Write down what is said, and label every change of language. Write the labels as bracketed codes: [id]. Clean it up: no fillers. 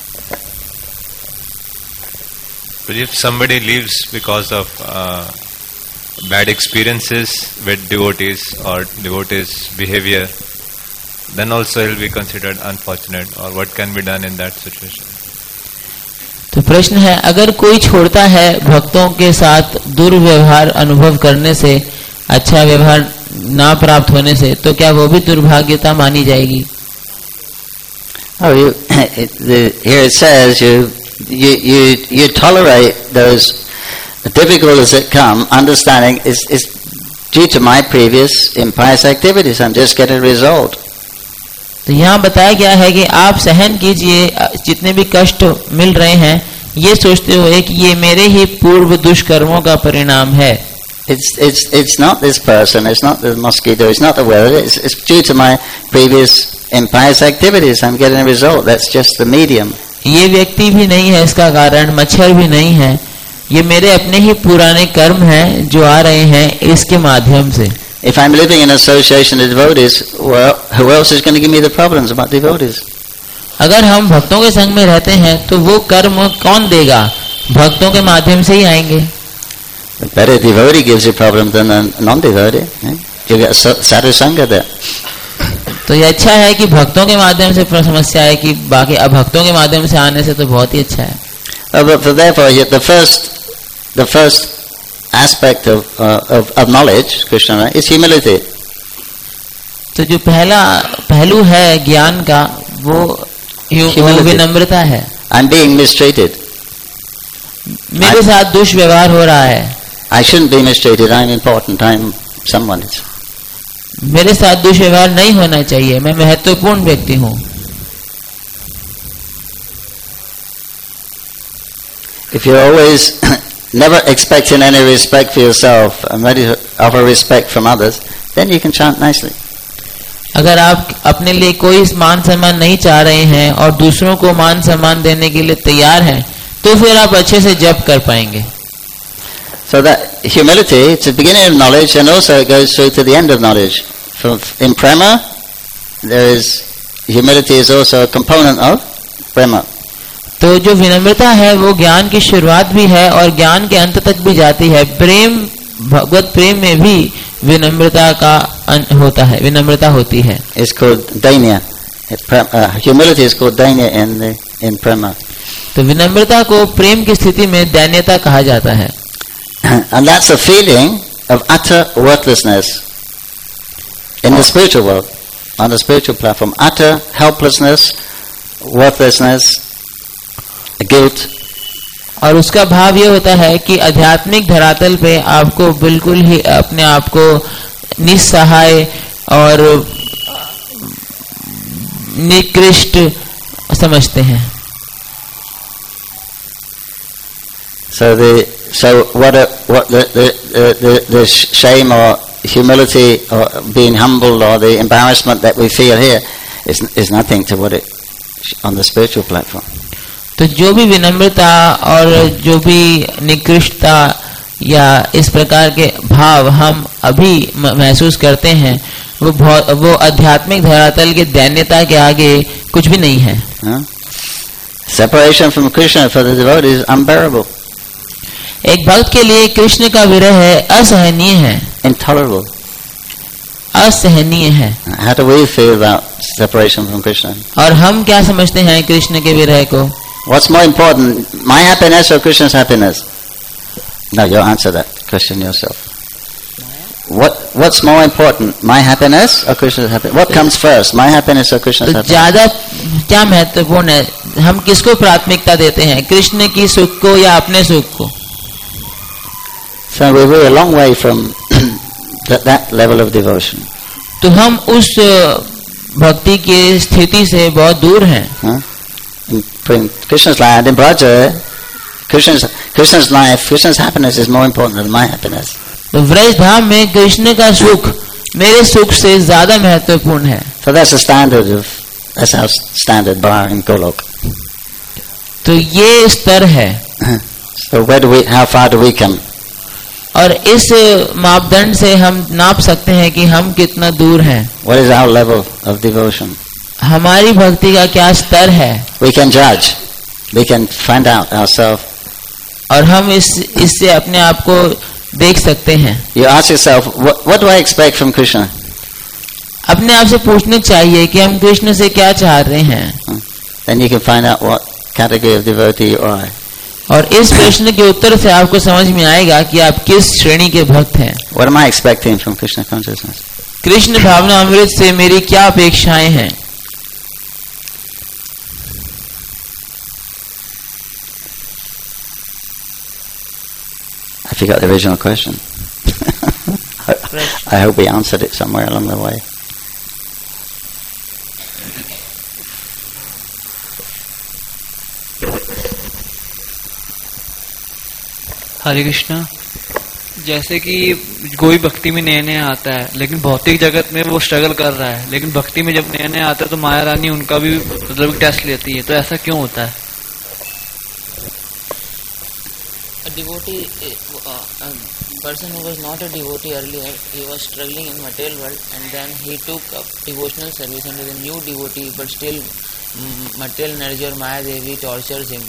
[en] But if somebody leaves because of bad experiences with devotees or devotees' behavior, then also he'll be considered unfortunate. Or what can be done in that situation? [hi] तो प्रश्न है अगर कोई छोड़ता है भक्तों के साथ दुर्व्यवहार अनुभव करने से अच्छा व्यवहार ना प्राप्त होने से तो क्या वो भी दुर्भाग्यता मानी जाएगी? [en] Oh, here it says you tolerate those difficulties that come, understanding is due to my previous impious activities. I'm just getting a result. [hi] तो यहाँ बताया गया है कि आप सहन कीजिए जितने भी कष्ट मिल रहे हैं ये सोचते हुए कि ये मेरे ही पूर्व दुष्कर्मों का परिणाम है. [en] It's not this person, it's not the mosquito, it's not the weather, it's due to my previous impious activities. I'm getting a result. That's just the medium. [hi] ये व्यक्ति भी नहीं है इसका कारण, मच्छर भी नहीं है, ये मेरे अपने ही पुराने कर्म हैं जो आ रहे हैं इसके माध्यम से. [en] If I'm living in association with devotees, well, who else is going to give me the problems about devotees? [hi] अगर हम भक्तों के संग में रहते हैं, तो वो कर्म कौन देगा? भक्तों के माध्यम से ही आएंगे. [en] Better a devotee gives you problems than a non-devotee. You get a satisanga there. [hi] तो ये अच्छा है कि भक्तों के माध्यम से समस्या है कि बाकी अभक्तों के माध्यम से आने से तो बहुत ही अच्छा है. [en] But therefore, the first aspect of knowledge, Krishna, is humility. [hi] तो जो पहला पहलू है ज्ञान का वो विनम्रता है. [en] I'm being mistreated. [hi] मेरे साथ दुष्व्यवहार हो रहा है. [en] I shouldn't be mistreated. I'm important. I'm someone. [hi] मेरे साथ दुष्व्यवहार नहीं होना चाहिए. मैं महत्वपूर्ण व्यक्ति हूँ. [en] If you're always never expecting any respect for yourself and ready to offer respect from others, then you can chant nicely. [hi] अगर आप अपने लिए कोई मान सम्मान नहीं चाह रहे हैं और दूसरों को मान सम्मान देने के लिए तैयार हैं, तो फिर आप अच्छे से जप कर पाएंगे. [en] So that humility, it's the beginning of knowledge and also it goes through to the end of knowledge. In prema, there is humility is also a component of prema. [hi] तो जो विनम्रता है वो ज्ञान की शुरुआत भी है और ज्ञान के अंत तक भी जाती है। प्रेम, भगवत प्रेम में भी विनम्रता का अंत होता है, विनम्रता होती है। इसको दयनीय, ह्यूमिलिटी इसको दयनीय इन इन प्रेमा। तो विनम्रता को प्रेम की स्थिति में दयनीयता कहा जाता है। [en] And that's a feeling of utter worthlessness in the spiritual world, on the spiritual platform, utter helplessness, worthlessness, guilt. [hi] और उसका भाव ये होता है कि आध्यात्मिक धरातल पे आपको बिल्कुल ही अपने आप को निस्सहाय और निकृष्ट समझते हैं। [en] So the what the shame or humility or being humbled or the embarrassment that we feel here is nothing to what it on the spiritual platform. [hi] तो जो भी विनम्रता और जो भी निकृष्टता या इस प्रकार के भाव हम अभी महसूस करते हैं वो आध्यात्मिक धरातल के दैन्यता के आगे कुछ भी नहीं है। [en] Separation from Krishna for the devotee is unbearable. [hi] एक भक्त के लिए कृष्ण का विरह है असहनीय है, [en] intolerable, [hi] असहनीय है। [en] How do we feel about separation from Krishna? [hi] और हम क्या समझते हैं कृष्ण के विरह को? [en] What's more important, my happiness or Krishna's happiness? No, you answer that question yourself. What's more important, my happiness or Krishna's happiness? What comes first, my happiness or Krishna's happiness? [hi] ज़्यादा क्या महत्वपूर्ण है? हम किसको प्राथमिकता देते हैं, कृष्ण की सुख को या अपने सुख को? [en] So we were a long way from that level of devotion. [hi] तो हम उस भक्ति की स्थिति से बहुत दूर हैं। [en] Krishna's land in Braja, Krishna's life, Krishna's happiness is more important than my happiness. [hi] तो व्रज धाम में कृष्ण का सुख मेरे सुख से ज्यादा महत्वपूर्ण है। [en] So that's the standard of that's our standard bar in Golok. [hi] तो ये स्तर है। [en] So how far do we come? [hi] और इस मापदंड से हम नाप सकते हैं कि हम कितना दूर हैं। [en] What is our level of devotion? [hi] हमारी भक्ति का क्या स्तर है? [en] We can judge, we can find out ourselves. [hi] और हम इससे अपने आप को देख सकते हैं। [en] You ask yourself, what do I expect from Krishna? [hi] अपने आप से पूछना चाहिए कि हम कृष्ण से क्या चाह रहे हैं। [en] Then you can find out what category of devotee you are. [hi] और इस प्रश्न के उत्तर से आपको समझ में आएगा कि आप किस श्रेणी के भक्त हैं। [en] What am I expecting from Krishna consciousness? [hi] Krishna भावना अमृत से मेरी क्या अपेक्षाएं हैं? [en] You got the original question. I hope we answered it somewhere along the way. Hare Krishna. [hi] जैसे कि कोई भक्ति में नया नया आता है लेकिन भौतिक जगत में वो स्ट्रगल कर रहा है, लेकिन भक्ति में जब नया नया आता है तो माया रानी उनका भी मतलब टेस्ट लेती है, तो ऐसा क्यों होता है? [en] Person who was not a devotee earlier, he was struggling in material world, and then he took up devotional service under the new devotee, but still material energy or Maya Devi tortures him.